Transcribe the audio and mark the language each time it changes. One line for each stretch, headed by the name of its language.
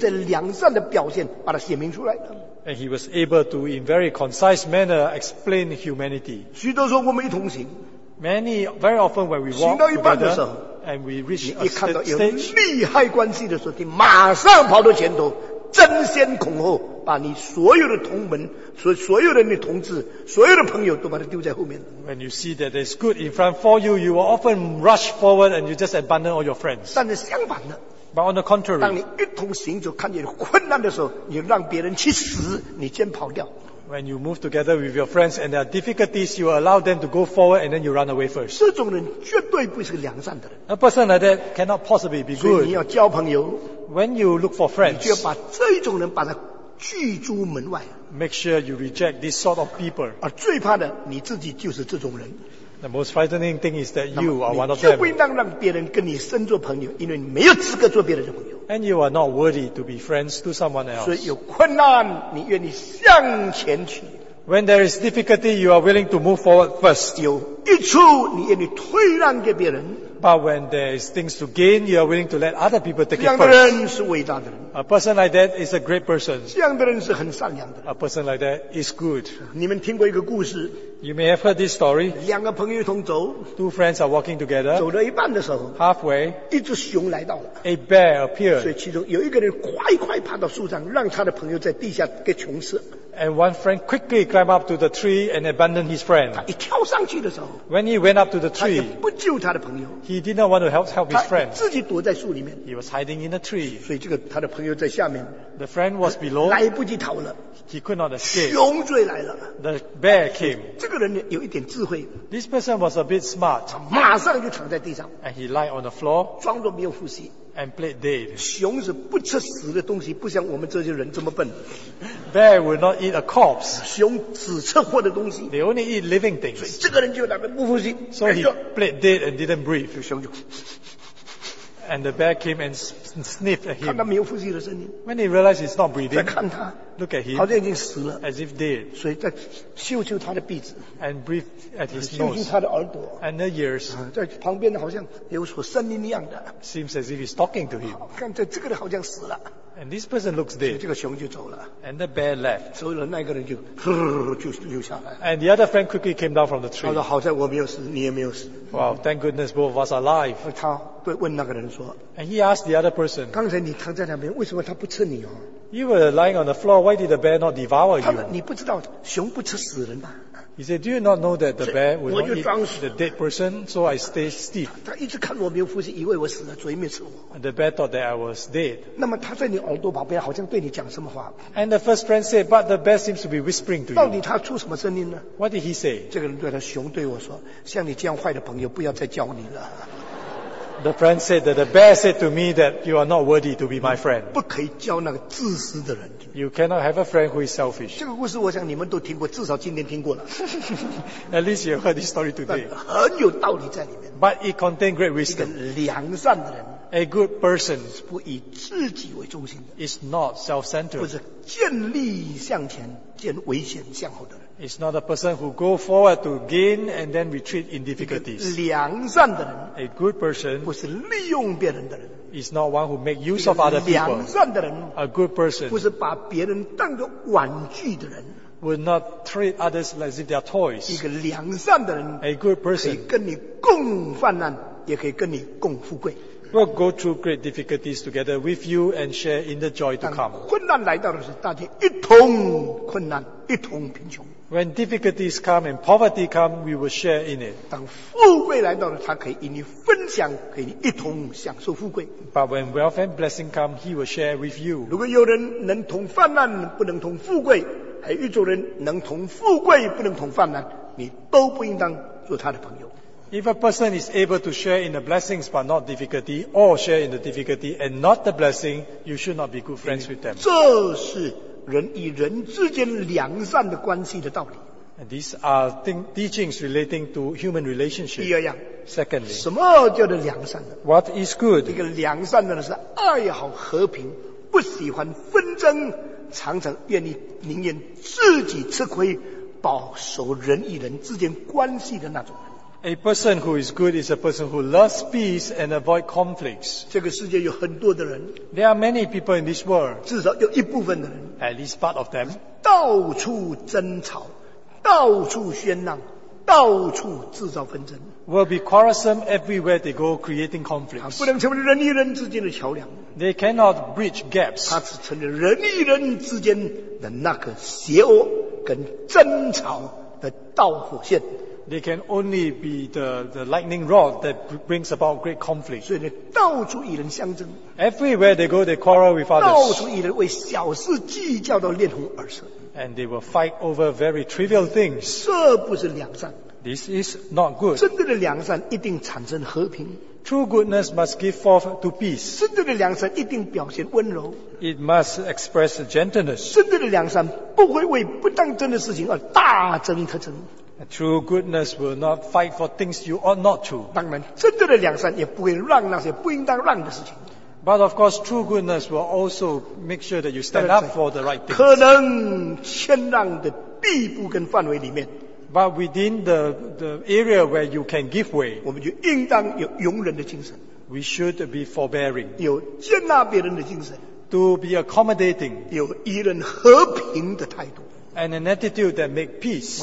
Chinese: 他怎么可能把这样简洁的两句话，把这个伟大的人性的良善的表现，把它写明出来呢？
English: And he was able to, in very concise manner, explain humanity.
Chinese: 许多时候我们一同行,
English: many, very often when we walk together, and we reach a stage,
Chinese: 利害关系的时候，你马上跑到前头，争先恐后，把你所有的同门、所有的你同志、所有的朋友都把它丢在后面。
English: When you see that there's good in front for you, you will often rush forward and you just abandon all your friends.
Chinese: 但是相反的,
English: But on the contrary,
Chinese: 当你一同行就看见困难的时候，你让别人去死，你先跑掉。
English: When you move together with your friends and there are difficulties, you allow them to go forward and then you run away first.
Chinese: 这种人绝对不是个良善的人。
English: A person like that cannot possibly be good.
Chinese: 所以你要交朋友,
English: When you look for friends,
Chinese: 你就要把这种人把他拒诸门外。
English: Make sure you reject this sort of people.
Chinese: 而最怕的你自己就是这种人。
English: The most frightening thing is that you are one of them.
Chinese: 你就不应当让别人跟你深做朋友，因为你没有资格做别人的朋友。
English: And you are not worthy to be friends to someone else.
Chinese: 所以有困难，你愿意向前去。
English: When there is difficulty, you are willing to move forward first.
Chinese: 有益处，你愿意退让给别人。
English: But when there is things to gain, you are willing to let other people take it first.
Chinese: 这样的人是伟大的人。
English: A person like that is a great person.
Chinese: 这样的人是很善良的。
English: A person like that is good.
Chinese: 你们听过一个故事。
English: You may have heard this story.
Chinese: 两个朋友一同走,
English: Two friends are walking together.
Chinese: 走到一半的时候,
English: Halfway,
Chinese: 一只熊来到了,
English: A bear appeared.
Chinese: 所以其中有一个人快快爬到树上, 让他的朋友在地下给穷吃。
English: And one friend quickly climbed up to the tree and abandoned his friend.
Chinese: 他一跳上去的时候,
English: When he went up to the tree,
Chinese: 他也不救他的朋友,
English: He did not want to help his friend.
Chinese: 自己躲在树里面,
English: He was hiding in a tree.
Chinese: 所以这个他的朋友在下面,
English: The friend was below.
Chinese: 来不及逃了,
English: He could not escape.
Chinese: 熊追来了,
English: The bear came.
Chinese: 这个人有一点智慧,
English: This person was a bit smart.
Chinese: 马上就躺在地上,
English: And he lied on the floor.
Chinese: 装作没有呼吸,
English: And played dead.
Chinese: 熊是不吃死的东西, 不像我们这些人这么笨。
English: Bear will not eat a corpse.
Chinese: 熊只吃活的东西,
English: They only eat living things.
Chinese: 所以这个人就那边不呼吸,
English: So he played dead and didn't breathe.
Chinese: 熊就,
English: And the bear came and sniffed at him.
Chinese: 看他没有呼吸的声音,
English: When he realized he's not breathing,
Chinese: 再看他,
English: Look at him,
Chinese: 好像已经死了,
English: As if dead.
Chinese: 所以再嗅嗅他的鼻子,
English: And breathed at his
Chinese: 嗅嗅他的耳朵,
English: nose,
Chinese: 嗅嗅他的耳朵,
English: And the ears,
Chinese: 在旁边好像有所声音一样的,
English: Seems as if he's talking to him.
Chinese: 看这个人好像死了,
English: And this person looks dead.
Chinese: 所以这个熊就走了,
English: And the bear left.
Chinese: 所以那个人就, 就留下来,
English: And the other friend quickly came down from the tree.
Chinese: 他说好在我没有死, 你也没有死,
English: Wow, thank goodness both of us are alive.
Chinese: 他对问那个人说,
English: And he asked the other person,
Chinese: 刚才你躺在那边, 为什么他不吃你哦?
English: You were lying on the floor. Why did the bear not devour you?
Chinese: 你不知道熊不吃死人吗?
English: He said, Do you not know that the bear will not eat the dead person? So I stayed stiff.
Chinese: 他一直看我没有呼吸, 以为我死了, 所以没有吃我。
English: And the bear thought that I was dead.
Chinese: 那么他在你耳朵旁边, 好像对你讲什么话?
English: And the first friend said, But the bear seems to be whispering to you.
Chinese: 到底他出什么声音呢?
English: What did he say?
Chinese: 这个人对他, 熊对我说, 像你这样坏的朋友, 不要再叫你了。
English: The friend said that the bear said to me that you are not worthy to be my friend.
Chinese: 不可以交那个自私的人。
English: You cannot have a friend who is selfish.
Chinese: 这个故事我想你们都听过, 至少今天听过了。
English: At least you heard this story today.
Chinese: 很有道理在里面。
English: But it contained great wisdom.
Chinese: 一个良善的人,
English: A good person,
Chinese: 不以自己为中心的,
English: is not self-centered.
Chinese: 不是见利向前, 见危险向后的人。
English: It's not a person who go forward to gain and then retreat in difficulties.
Chinese: 良善的人,
English: a good person,
Chinese: 不是利用别人的人,
English: is not one who make use of other people.
Chinese: 良善的人,
English: a good person,
Chinese: 不是把别人当作玩具的人,
English: will not treat others as if they are toys.
Chinese: 一个良善的人,
English: a good person,
Chinese: 可以跟你共患难, 也可以跟你共富贵。
English: We'll go through great difficulties together with you and share in the joy to come.
Chinese: 当困难来到的时候, 大家一同困难, 一同贫穷。
English: When difficulties come and poverty come, we will share in it.
Chinese: 当富贵来到了，他可以与你分享，可以一同享受富贵。
English: But when wealth and blessing come, he will share with you.
Chinese: 如果有人能同患难，不能同富贵，还有一种人能同富贵，不能同患难，你都不应当做他的朋友。
English: If a person is able to share in the blessings but not difficulty, or share in the difficulty and not the blessing, you should not be good friends with them.
Chinese: 这是人与人之间良善的关系的道理。
English: And these are teachings relating to human relationship.
Chinese: 第二样。
English: Secondly.
Chinese: 什么叫做良善的？
English: What is good?
Chinese: 一个良善的是爱好和平，不喜欢纷争，常常愿意宁愿自己吃亏，保守人与人之间关系的那种。
English: A person who is good is a person who loves peace and avoids conflicts.
Chinese: 这个世界有很多的人。
English: There are many people in this world.
Chinese: 至少有一部分的人。
English: At least part of them.
Chinese: 到处争吵，到处喧闹，到处制造纷争。
English: Will be quarrelsome everywhere they go, creating conflicts.
Chinese: 不能成为人与人之间的桥梁。
English: They cannot bridge gaps.
Chinese: 他只成为人与人之间的那个邪恶跟争吵的导火线。
English: They can only be the lightning rod that brings about great conflict.
Chinese: 所以到处与人相争。
English: Everywhere they go, they quarrel with others.
Chinese: 到处与人为小事计较到面红耳赤。
English: And they will fight over very trivial things.
Chinese: 这不是良善。
English: This is not good.
Chinese: 真正的良善一定产生和平。
English: True goodness must give forth to peace.
Chinese: 真正的良善一定表现温柔。
English: It must express gentleness.
Chinese: 真正的良善不会为不当真的事情而大争特争。
English: True goodness will not fight for things you ought not to.
Chinese: 当然，真正的良善也不会让那些不应当让的事情。
English: But of course, true goodness will also make sure that you stand up for the right things.
Chinese: 可能谦让的地步跟范围里面。
English: But within the area where you can give way,
Chinese: 我们就应当有容忍的精神。
English: We should be forbearing.
Chinese: 有接纳别人的精神。
English: To be accommodating.
Chinese: 有与人和平的态度。
English: And an attitude that makes peace.